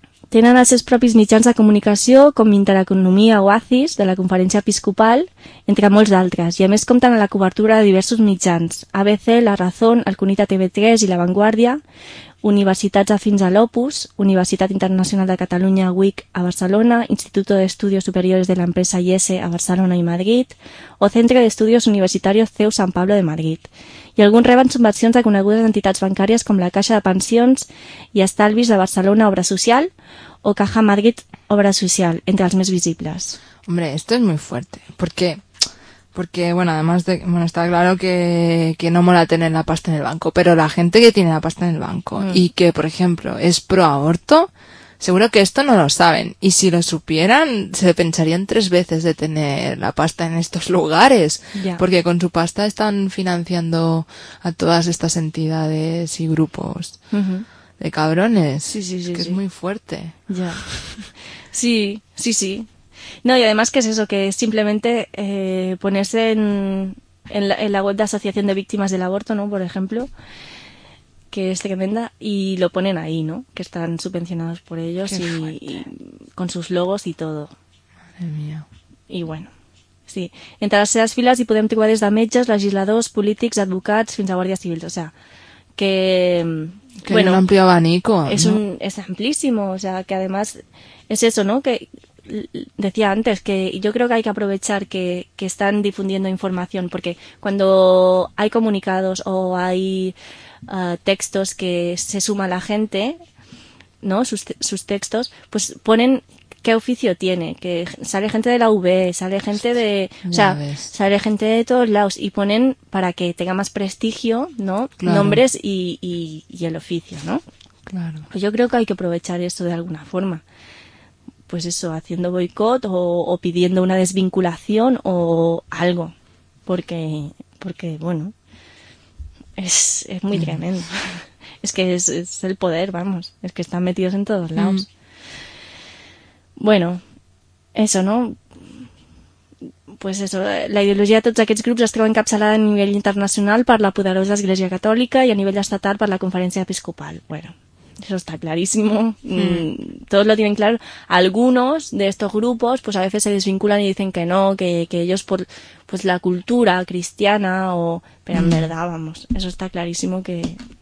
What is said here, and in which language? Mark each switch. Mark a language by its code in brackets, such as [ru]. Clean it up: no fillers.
[ca] Tenen els seus propis mitjans de comunicació, com Intereconomia o ACIS, de la Conferència Episcopal, entre molts d'altres, i a més compten a la cobertura de diversos mitjans, ABC, La Razón, el Cunit a TV3 i La Vanguardia, Universitats afins a l'Opus, Universitat Internacional de Catalunya, UIC, a Barcelona, Instituto de Estudios Superiores de la Empresa IESE, a Barcelona i Madrid, o Centre d'Estudios Universitarios CEU San Pablo de Madrid. I alguns reben subvencions de conegudes entitats bancàries com la Caixa de Pensions i Estalvis de Barcelona Obra Social o Caja Madrid Obra Social, entre els més visibles. [es] Hombre, esto es muy fuerte. ¿Por qué? Porque, bueno, además de... Bueno, está claro que no mola tener la pasta en el banco, pero la gente que tiene la pasta en el banco y que, por ejemplo, es pro-aborto, seguro que esto no lo saben. Y si lo supieran, se pensarían tres veces de tener la pasta en estos lugares. Ya. Porque con su pasta están financiando a todas estas entidades y grupos de cabrones. Sí, sí, sí. Es que sí. Es muy fuerte. Ya. Sí, sí, sí. No, y además que es eso, que es simplemente ponerse en la web de Asociación de Víctimas del Aborto, ¿no? Por ejemplo, que es tremenda, y lo ponen ahí, ¿no? Que están subvencionados por ellos y con sus logos y todo. Madre mía. Y bueno, sí. [ca] Entre les seves files hi podem trobar des de metges, legisladors, polítics, advocats, fins a guàrdies civils. [es] O sea, que bueno, un amplio abanico, es ¿no? un es amplísimo, o sea, que además es eso, ¿no? Que decía antes que yo creo que hay que aprovechar que están difundiendo información, porque cuando hay comunicados o hay textos que se suma la gente, ¿no? Sus textos, pues ponen qué oficio tiene, que sale gente de la UB, sale gente de, o sea, sale gente de todos lados y ponen para que tenga más prestigio, ¿no? Claro. Nombres y el oficio, ¿no? Claro. Pues yo creo que hay que aprovechar esto de alguna forma. Pues eso, haciendo boicot o pidiendo una desvinculación o algo. Porque bueno, es muy tremendo. Es que es el poder, vamos. Es que están metidos en todos lados. Bueno, eso, ¿no? Pues eso, [ca] la ideologia de tots aquests grups es troba encapçalada a nivell internacional per la poderosa Església Catòlica i a nivell estatal per la Conferència Episcopal. [es] Bueno, eso está clarísimo. Todos lo tienen claro. Algunos de estos grupos pues a veces se desvinculan y dicen que no, que ellos por pues la cultura cristiana o... Pero en verdad, vamos, eso está clarísimo que...